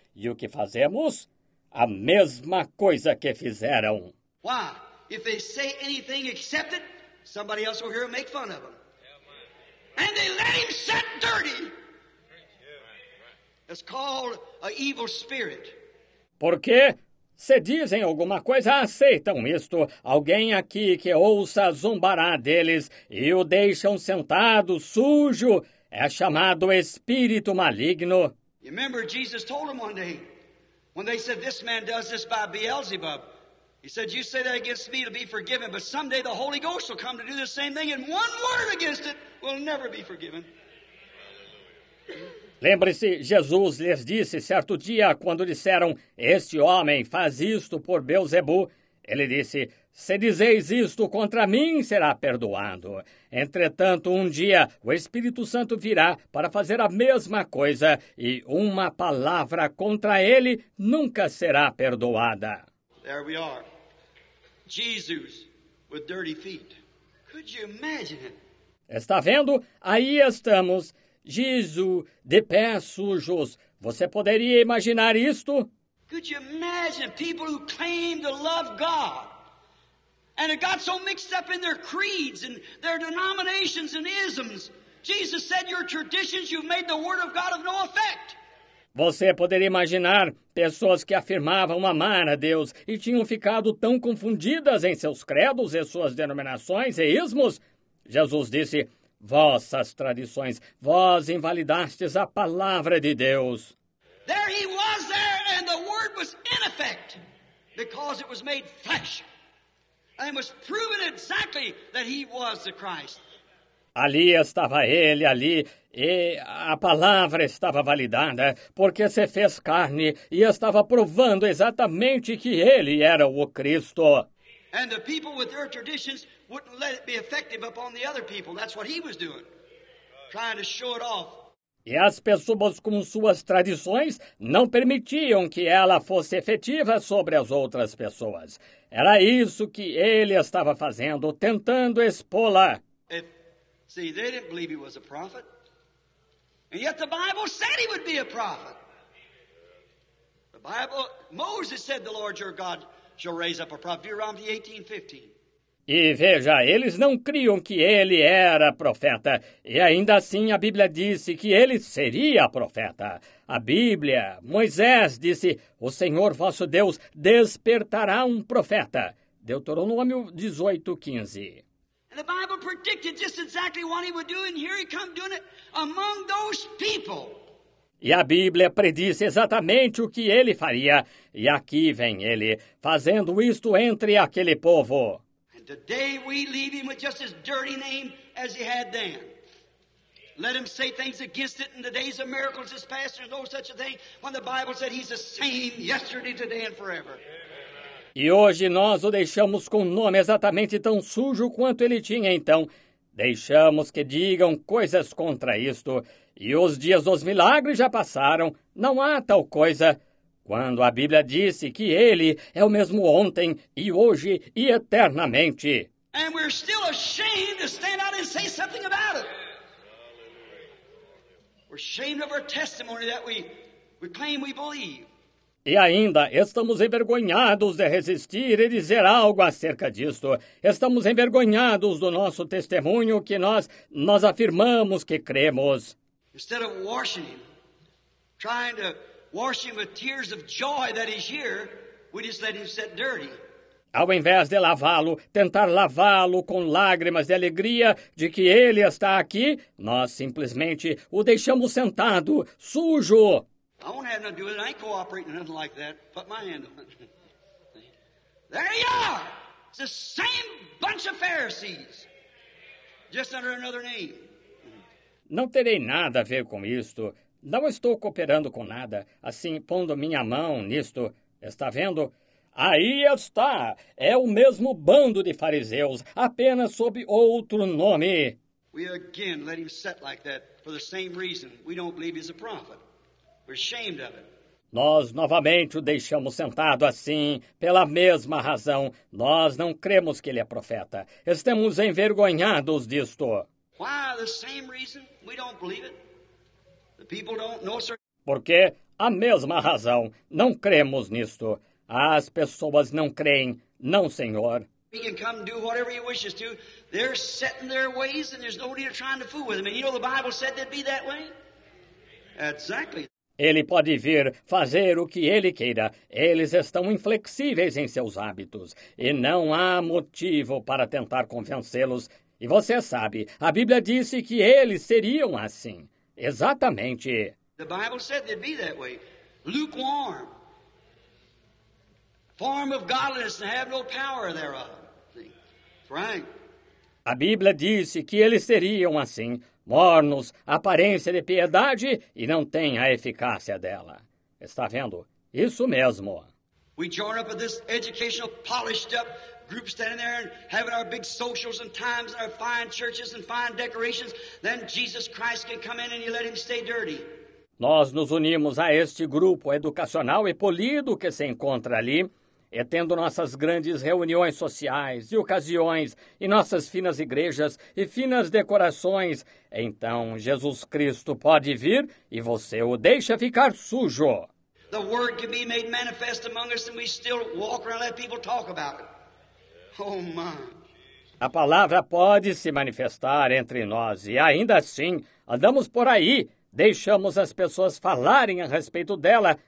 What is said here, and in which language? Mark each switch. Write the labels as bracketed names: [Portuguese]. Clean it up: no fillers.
[Portuguese] E o que fazemos? A mesma coisa que fizeram. [English] Why? If they say anything except it, somebody else will hear and make fun of them. and they let him sit dirty. It's called an evil spirit. [Portuguese] Porque se dizem alguma coisa, aceitam isto. Alguém aqui que ouça zombará deles e o deixam sentado, sujo, é chamado espírito maligno. [English] You remember Jesus told them one day, when they said, this man does this by Beelzebub. He said, you say that against me, it'll be forgiven, but someday the Holy Ghost will come to do the same thing, and one word against it will never be forgiven. [Portuguese] Lembre-se, Jesus lhes disse certo dia, quando disseram, este homem faz isto por Beelzebu, ele disse, se dizeis isto contra mim, será perdoado. Entretanto, um dia, o Espírito Santo virá para fazer a mesma coisa, e uma palavra contra ele nunca será perdoada. [English] There we are, Jesus with dirty feet. Could you imagine it? [Portuguese] Está vendo? Aí estamos. Jesus, de pés sujos. Você poderia imaginar isto? [English] Could you imagine people who claim to love God and it got so mixed up in their creeds and their denominations and isms? Jesus said, your traditions, you've made the word of God of no effect. [Portuguese] Você poderia imaginar pessoas que afirmavam amar a Deus e tinham ficado tão confundidas em seus credos e suas denominações e ismos? Jesus disse, vossas tradições, vós invalidastes a palavra de Deus. [English] There he was there, and the word was in effect, because it was made flesh. And it was proven exactly that he was the Christ. [Portuguese] Ali estava ele, ali, e a palavra estava validada, porque se fez carne e estava provando exatamente que ele era o Cristo. [English] And the people with their traditions wouldn't let it be effective upon the other people. That's what he was doing, trying to show it off. [Portuguese] E as pessoas com suas tradições não permitiam que ela fosse efetiva sobre as outras pessoas. Era isso que ele estava fazendo, tentando expô-la. [English] See, they didn't believe he was a prophet. And yet the Bible said he would be a prophet. The Bible, Moses said, the Lord your God shall raise up a prophet. Deuteronomy 18, 15. [Portuguese] E veja, eles não criam que ele era profeta. E ainda assim a Bíblia disse que ele seria profeta. A Bíblia, Moisés disse, o Senhor vosso Deus despertará um profeta. Deuteronômio 18, 15. [English] The Bible predicted just exactly what he would do, and here he comes doing it among those people. [Portuguese] E a Bíblia predisse exatamente o que ele faria, e aqui vem ele, fazendo isto entre aquele povo. [English] And today we leave him with just as dirty name as he had then. Let him say things against it in the days of miracles his past, there's no such a thing, when the Bible said he's the same yesterday, today, and forever. [Portuguese] E hoje nós o deixamos com um nome exatamente tão sujo quanto ele tinha então. Deixamos que digam coisas contra isto. E os dias dos milagres já passaram. Não há tal coisa. Quando a Bíblia disse que ele é o mesmo ontem e hoje e eternamente. [English] And we're still ashamed to stand out and say something about it. We're ashamed of our testimony that we claim we believe. [Portuguese] E ainda estamos envergonhados de resistir e dizer algo acerca disto. Estamos envergonhados do nosso testemunho que nós afirmamos que cremos. [English] Instead of washing him, trying to wash him with tears of joy that he's here, we just let him sit dirty. [Portuguese] Ao invés de lavá-lo, tentar lavá-lo com lágrimas de alegria de que ele está aqui, nós simplesmente o deixamos sentado, sujo. [English] I won't have nothing to do with it. I ain't cooperating or nothing like that. Put my hand on it. There you are. It's the same bunch of Pharisees. Just under another name. [Portuguese] Não terei nada a ver com isto. Não estou cooperando com nada. Assim, pondo minha mão nisto. Está vendo? Aí está. É o mesmo bando de fariseus, apenas sob outro nome. [English] We again let him sit like that for the same reason. We don't believe he's a prophet. We're ashamed of it. [Portuguese] Nós novamente o deixamos sentado assim, pela mesma razão. Nós não cremos que ele é profeta. Estamos envergonhados disto. [English] Why, the same reason we don't believe it. The people don't know, sir. [Portuguese] Porque a mesma razão. Não cremos nisto. As pessoas não creem. Não, senhor. [English] He can come do whatever he wishes to. They're setting their ways, and there's nobody trying to fool with them. And you know the Bible said they'd be that way? Exactly. [Portuguese] Ele pode vir, fazer o que ele queira. Eles estão inflexíveis em seus hábitos. E não há motivo para tentar convencê-los. E você sabe, a Bíblia disse que eles seriam assim. Exatamente. [English] The Bible said they'd be that way. Lukewarm. Form of godliness and have no power thereof. Frank. [Portuguese] A Bíblia disse que eles seriam assim. Mornos, aparência de piedade e não tem a eficácia dela. Está vendo? Isso mesmo. [English] We join up with this educational, polished up group standing there and having our big socials and times and our fine churches and fine decorations. Then Jesus Christ can come in and you let him stay dirty. [Portuguese] Nós nos unimos a este grupo educacional e polido que se encontra ali, e tendo nossas grandes reuniões sociais e ocasiões, e nossas finas igrejas e finas decorações, então Jesus Cristo pode vir e você o deixa ficar sujo. [English] The word can be made manifest among us and we still walk around and let people talk about it. Oh my. [Portuguese] A palavra pode se manifestar entre nós e ainda assim andamos por aí. Deixamos as pessoas falarem a respeito dela.